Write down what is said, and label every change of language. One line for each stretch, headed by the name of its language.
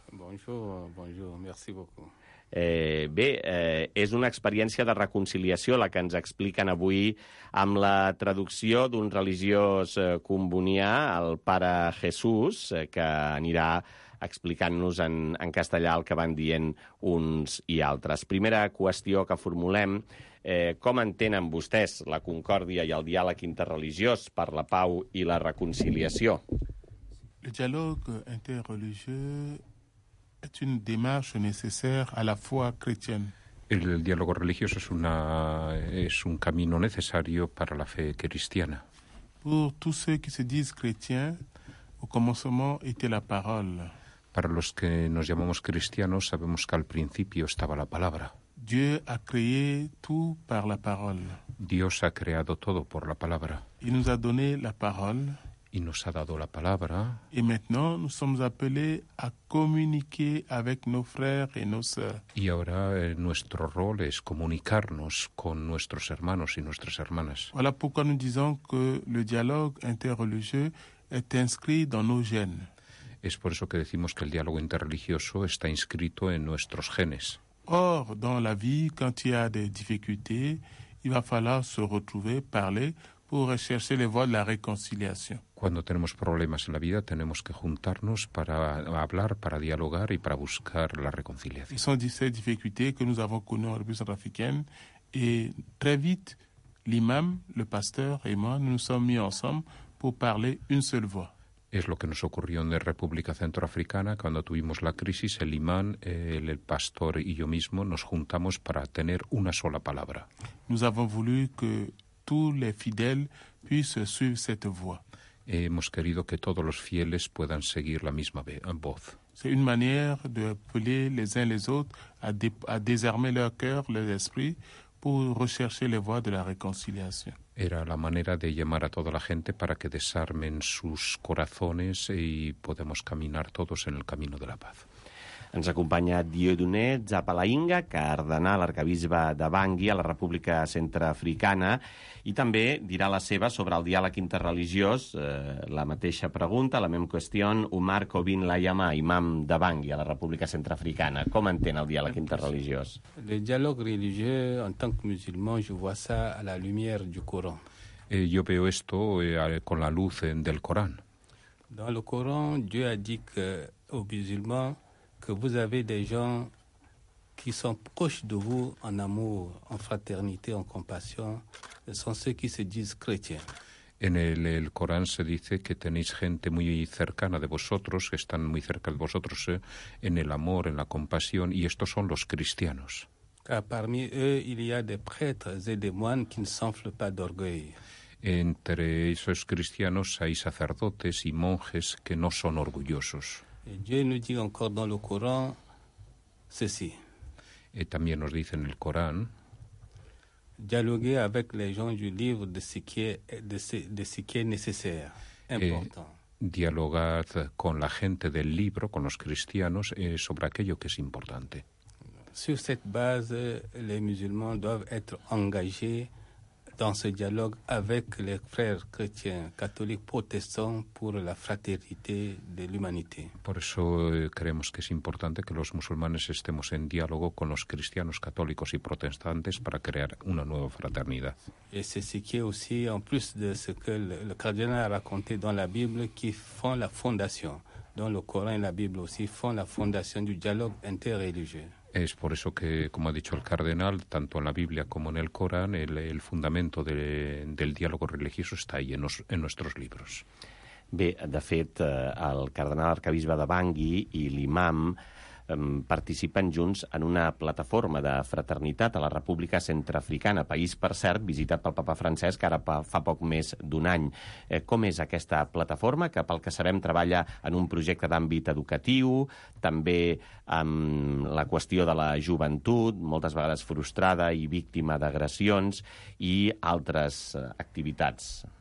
French: Bonjour, bonjour, merci beaucoup.
Catalan: És una experiència de reconciliació la que ens expliquen avui amb la traducció d'un religiós combonià, el pare Jesús, que anirà explicant-nos en castellà el que van dient uns i altres. Primera qüestió que formulem, com entenen vostès la concòrdia i el diàleg interreligiós per la pau i la reconciliació? El diàleg interreligiós es una
French: démarche nécessaire à la foi chrétienne.
Spanish: El diálogo religioso es un camino necesario para la fe cristiana.
French: Pour tous ceux qui se disent chrétiens, au commencement était la parole.
Spanish: Para los que nos llamamos cristianos, sabemos que al principio estaba la palabra.
French: Dieu a créé tout par la parole.
Spanish: Dios ha creado todo por la palabra.
French: Il nous a donné la parole.
Spanish: Y nos ha dado la palabra.
French: Et maintenant nous sommes appelés à communiquer avec nos frères et nos sœurs.
Spanish: Y ahora nuestro rol es comunicarnos con nuestros hermanos y nuestras hermanas.
French: Voilà pourquoi nous disons que le dialogue interreligieux est inscrit dans nos gènes.
Spanish: Es por eso que decimos que el diálogo interreligioso está inscrito en nuestros genes.
French: Or, dans la vie, quand il y a des difficultés, il va falloir se retrouver, parler, pour rechercher les voies de la réconciliation.
Spanish: Cuando tenemos problemas en la vida, tenemos que juntarnos para hablar, para dialogar y para buscar la reconciliación.
French: Ce sont ces difficultés que nous avons connues en République centrafricaine. Et très vite, l'imam, le pasteur et moi, nous nous sommes mis ensemble pour parler une seule voix.
Spanish: Es lo que nos ocurrió en la República Centroafricana cuando tuvimos la crisis. El imán, el pastor y yo mismo nos juntamos para tener una sola palabra.
French: Nous avons voulu que tous les fidèles puissent suivre cette voie.
Spanish: Hemos querido que todos los fieles puedan seguir la misma voz.
French: C'est une manière de appeler les uns les autres à désarmer leur cœur, leur esprit, pour rechercher les voies de la réconciliation.
Spanish: Era la manera de llamar a toda la gente para que desarmen sus corazones y podamos caminar todos en el camino de la paz.
Catalan: Ens acompanya Dieudonné Tsapalainga, cardenal arcabisbe de Bangui a la República Centreafricana, i també dirà la seva sobre el diàleg interreligiós, la mateixa pregunta,
French: la même question,
Catalan: Omar Kobin Layama, imam de Bangui a la República Centreafricana. Com entén el diàleg interreligiós?
French: Le dialogue religieux, en tant que musulman, je vois ça à la lumière du Coran.
Spanish: Yo veo esto con la luz del Corán.
French: Dans le Coran, Dieu a dit que aux musulmans que vous avez des gens qui sont proches de vous en amour, en fraternité, en compassion, ce sont ceux qui se disent chrétiens.
Spanish: En el Corán se dice que tenéis gente muy cercana de vosotros, que están muy cerca de vosotros en el amor, en la compasión, y estos son los cristianos.
French: Car parmi eux, il y a des prêtres et des moines qui ne s'enflent pas d'orgueil.
Spanish: Entre esos cristianos hay sacerdotes y monjes que no son orgullosos.
French: Et Dieu nous dit encore dans le Coran ceci.
Spanish: Et también nos dice en el Corán.
French: Dialoguer avec les gens du livre de ce qui est, de ce qui est nécessaire, important.
Spanish: Dialogar con la gente del libro, con los cristianos, sobre aquello que es importante.
French: Sur cette base, les musulmans doivent être engagés dans ce dialogue avec les frères chrétiens, catholiques, protestants, pour la fraternité de l'humanité.
Spanish: Por eso creemos que es importante que los musulmanes estemos en diálogo con los cristianos, católicos y protestantes para crear una nueva fraternidad.
French: Et c'est ce qui est aussi, en plus de ce que le cardinal a raconté dans la Bible, qui font la fondation, dont le Coran et la Bible aussi font la fondation du dialogue interreligieux.
Spanish: Es por eso que, como ha dicho el cardenal, tanto en la Biblia como en el Corán, el fundamento del diálogo religioso está ahí, en nuestros libros.
Catalan: Bé, de fet, el cardenal arcabisbe de Bangui i l'imam participen junts en una plataforma de fraternitat a la República Centreafricana, país, per cert, visitat pel papa Francesc ara fa poc més d'un any. Com és aquesta plataforma, que pel que sabem treballa en un projecte d'àmbit educatiu, també amb la qüestió de la joventut, moltes vegades frustrada i víctima d'agressions, i altres activitats?